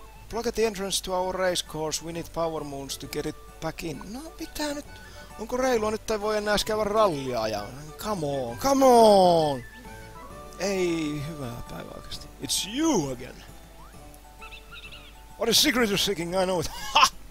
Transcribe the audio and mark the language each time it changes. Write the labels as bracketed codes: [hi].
[en] Block at the entrance to our race course. We need power moons to get it back in. [fi] No, pitää nyt... Onko reilua nyt, tai voi enää edes käydä rallia ajaa? [en] Come on! [fi] Ei, hyvää päivää oikeesti. [en] It's you again! What a secret you're seeking, I know it! Ha!